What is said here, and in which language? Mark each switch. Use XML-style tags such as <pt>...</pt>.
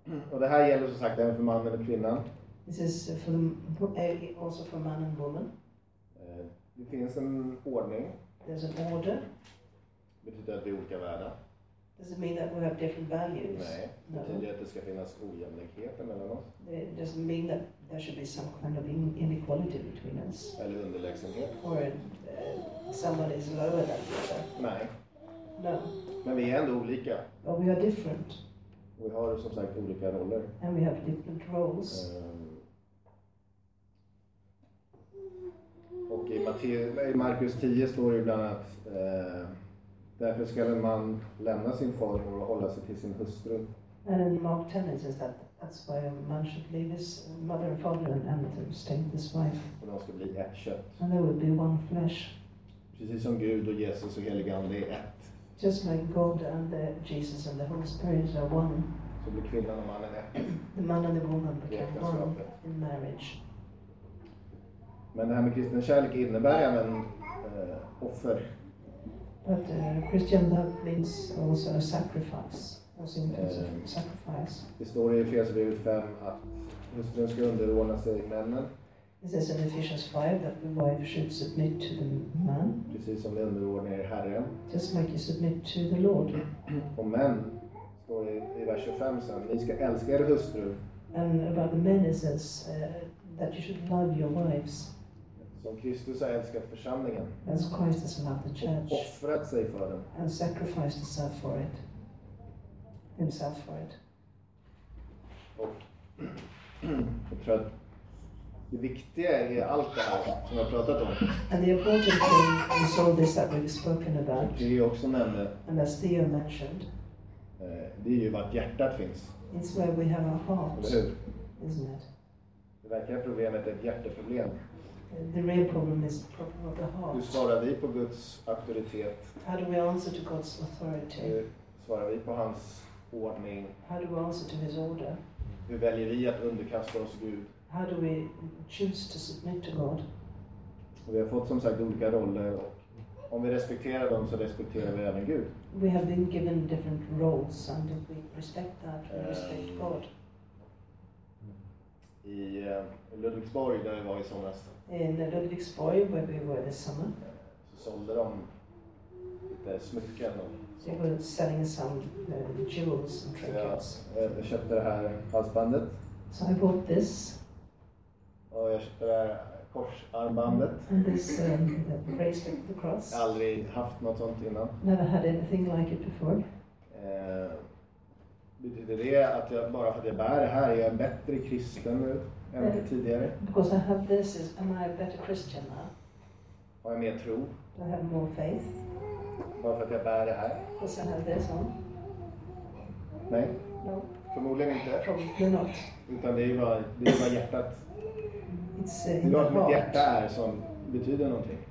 <sv>Och det här gäller som sagt även för mannen och kvinnan.</sv> <en>This is for also for man and woman.</en> <sv>Det finns en ordning.</sv> <en>There's an order.</en> <sv>Betyder att vi har olika värde.</sv> <en>Does it mean that we have different values?</en> <sv>Nej. Betyder att det ska finnas ojämlikheter mellan oss?</sv> <en>Does it mean that there should be some kind of inequality between us?</en> <sv>Eller underlägsenhet?</sv> <en>Or somebody is lower than the other?</en> <sv>Nej.</sv> <en>No.</en> <sv>Men vi är ändå olika.</sv> <en>But we are different.</en> <sv>Vi har som sagt olika roller.</sv> <en>And we have different roles.</en> <sv>Och i Markus 10 står det ibland att därför ska en man lämna sin far och hålla sig till sin hustru.</sv> <en>And in Mark 10 it says that that's why a man should leave his mother and father and to stay with his wife.</en> <sv>Och de ska bli ett kött.</sv> <en>And they will be one flesh.</en> <sv>Precis som Gud och Jesus och Helige Ande är ett.</sv> <en>Just like God and the Jesus and the Holy Spirit are one.</en> <sv>Så blir kvinnan och mannen ett.</sv> <en>The man and the woman become one in marriage.</en> <sv>Men det här med kristen kärlek innebär även offer.</sv> <en>But Christian love means also a sacrifice. Also in terms of sacrifice.</en> <sv>Det står i Efesierbrevet 5 att hustrun ska underordna sig männen.</sv> <en>It says in Ephesians 5 that the wife should submit to the man.</en> <sv>Precis som den underordnade är Herren.</sv> <en>Just like you submit to the Lord.</en> <sv>Och män, står i vers 25 sen, ni ska älska er hustru.</sv> <en>And about the men it says that you should love your wives.</en> <sv>Som Kristus har älskat församlingen.</sv> <en>As Christ has loved the church.</en> <sv>Och offrat sig för den.</sv> <en>And sacrificed himself for it. Himself for it.</en> <sv>Och jag tror att det viktiga är allt det här som jag har pratat om.</sv> <en>And the important thing is all this that we've spoken about.</en> <sv>Det är också nämnde.</sv> <en>And as Theo mentioned.</en> <sv>Det är ju vart hjärtat finns.</sv> <en>It's where we have our heart.</en> <sv>Hur?</sv> <en>Isn't it?</en> <sv>Det verkliga problemet är ett hjärteproblem.</sv> <en>The real problem is the problem of the heart.</en> <sv>Hur svarar vi på Guds auktoritet?</sv> <en>How do we answer to God's authority?</en> <sv>Hur svarar vi på hans ordning?</sv> <en>How do we answer to his order?</en> <sv>Hur väljer vi att underkasta oss Gud?</sv> <en>How do we choose to submit to God?</en> <sv>Och vi har fått som sagt olika roller och om vi respekterar dem så respekterar vi även Gud.</sv> <en>We have been given different roles and if we respect that, we respect God.</en> <sv>I Ludvigsborg där vi var i somras.</sv> <en>In Ludvigsborg where we were this summer.</en> <sv>Så sålde de lite smycken och</sv> <en>they were selling some jewels and trinkets.</en> <sv>Ja, jag köpte det här halsbandet.</sv> <en>So I bought this.</en> <sv>Och jag köpte det här korsarmbandet.</sv> <en>And this bracelet, the cross.</en> <sv>Jag har aldrig haft något sånt innan.</sv> <en>Never had anything like it before.</en> <sv>Betyder det att jag bara för att jag bär det här är jag en bättre kristen nu än tidigare?</sv> <en>Because I have this, is, am I a better Christian now?</en> <sv>Har jag mer tro?</sv> <en>Do I have more faith?</en> <sv>Bara för att jag bär det här?</sv> <en>Because I have this on.</en> <sv>Nej.</sv> <en>No.</en> <sv>Förmodligen inte.</sv> <en>Probably not.</en> <sv>Utan det är bara hjärtat.</sv> <en>It's in my heart.</en> <sv>Mitt hjärta är som betyder någonting.</sv>